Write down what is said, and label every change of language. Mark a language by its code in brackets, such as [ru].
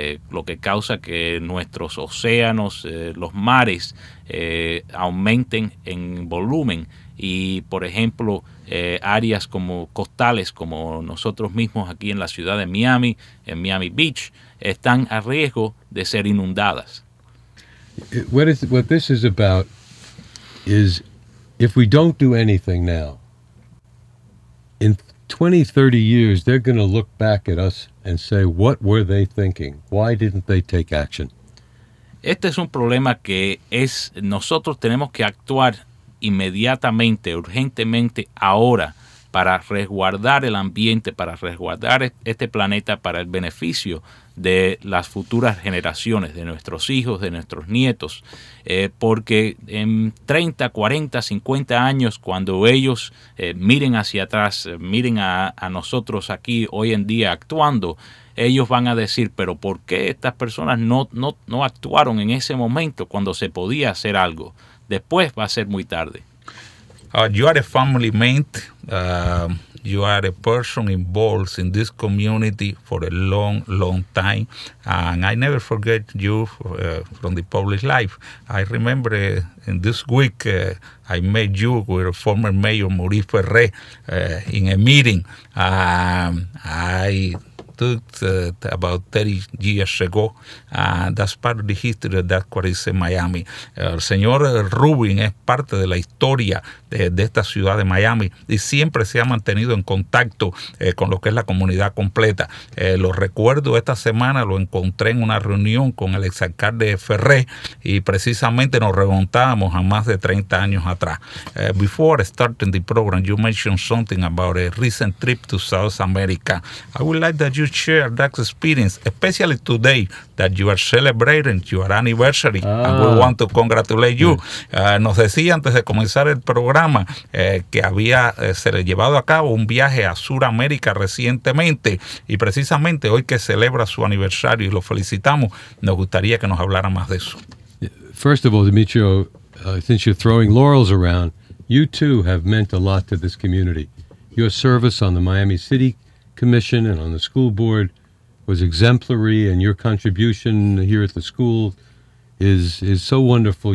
[es] Lo que causa que nuestros océanos, los mares, aumenten en volumen y, por ejemplo, áreas como costales, como nosotros mismos aquí en la ciudad de Miami, en Miami Beach, están a riesgo de ser inundadas. [en] What this is about is if we don't do anything now, in 20, 30 years, they're going to look back at us and say, what were they thinking? Why didn't they take action? [es] Este es un problema que es, nosotros tenemos que actuar inmediatamente, urgentemente, ahora, para resguardar el ambiente, para resguardar este planeta para el beneficio de las futuras generaciones, de nuestros hijos, de nuestros nietos, porque en 30, 40, 50 años, cuando ellos miren hacia atrás, miren a nosotros aquí hoy en día actuando, ellos van a decir, pero ¿por qué estas personas no actuaron en ese momento cuando se podía hacer algo? Después va a ser muy tarde. [en] You are a family mate. You are a person involved in this community for a long, long time. And I never forget you from the public life. I remember in this week I met you with former Mayor Maurice Ferré in a meeting. I took about 30 years ago. That's part of the history of that quarter in Miami. [es] El señor Rubin es parte de la historia de esta ciudad de Miami y siempre se ha mantenido en contacto con lo que es la comunidad completa. Lo recuerdo esta semana, lo encontré en una reunión con el exalcalde Ferré y precisamente nos remontábamos a más de 30 años atrás. [en] Before starting the program, you mentioned something about a recent trip to South America. I would like that you share that experience, especially today that you are celebrating your anniversary. And we want to congratulate you. [es] Nos decía antes de comenzar el programa que había se le llevado a cabo un viaje a Sudamérica recientemente y precisamente hoy que celebra su aniversario y lo felicitamos, nos gustaría que nos hablara más de eso. [en] First of all, Demetrio, since you're throwing laurels around, you too have meant a lot to this community. Your service on the Miami City Commission and on the school board was exemplary, and your contribution here at the school is so wonderful.